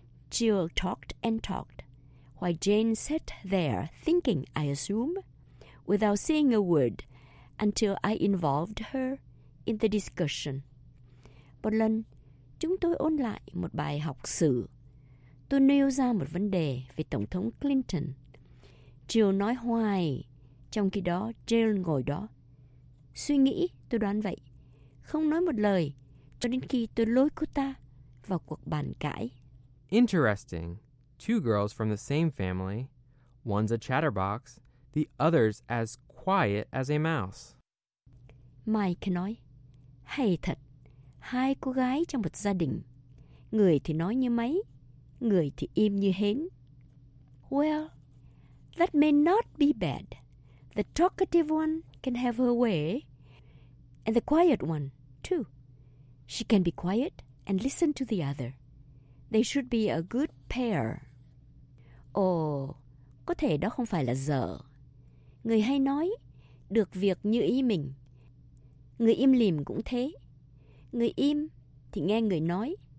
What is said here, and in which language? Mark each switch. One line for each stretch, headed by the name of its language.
English: Jill talked and talked, while Jane sat there thinking, I assume, without saying a word, until I involved her in the discussion.
Vietnamese: Một lần, chúng tôi ôn lại một bài học sử. Tôi nêu ra một vấn đề về Tổng thống Clinton. Jill nói hoài, trong khi đó Jill ngồi đó. Suy nghĩ, tôi đoán vậy. Không nói một lời, cho đến khi tôi lôi cô ta vào cuộc bàn cãi.
English: Interesting. Two girls from the same family. One's a chatterbox, the other's as quiet as a mouse.
Vietnamese: Mike nói, hay thật. Hai cô gái trong một gia đình. Người thì nói như máy, người thì im như hến.
English: Well, that may not be bad. The talkative one can have her way. And the quiet one, too. She can be quiet and listen to the other. They should be a good pair.
Vietnamese: Oh, có thể đó không phải là dở. Người hay nói, được việc như ý mình. Người im lìm cũng thế. Người im thì nghe người nói.